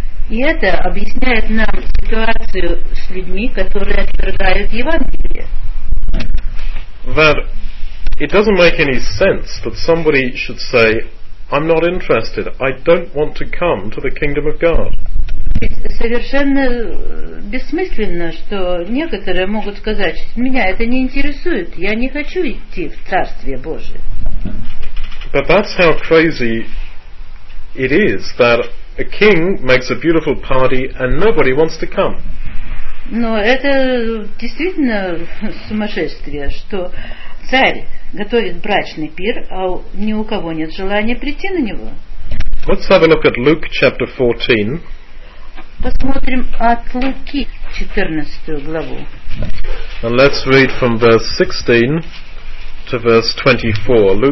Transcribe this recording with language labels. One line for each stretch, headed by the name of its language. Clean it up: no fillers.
Russian: И это объясняет нам ситуацию с людьми, которые отвергают Евангелие.
English: That it doesn't make any sense that somebody should say, I'm not interested, I don't want to come to the kingdom of God.
Russian: Совершенно бессмысленно, что некоторые могут сказать, меня это не интересует, я не хочу идти в Царствие Божие.
English: But that's how crazy it is that a king makes a beautiful party and nobody wants to come.
Russian: Но это действительно сумасшествие, что царь готовит брачный пир, а ни у кого нет желания прийти на него.
English: Let's have a look at Luke chapter 14.
Russian: Посмотрим от Луки 14 главу.
English: And let's read from verse 16 to verse 24.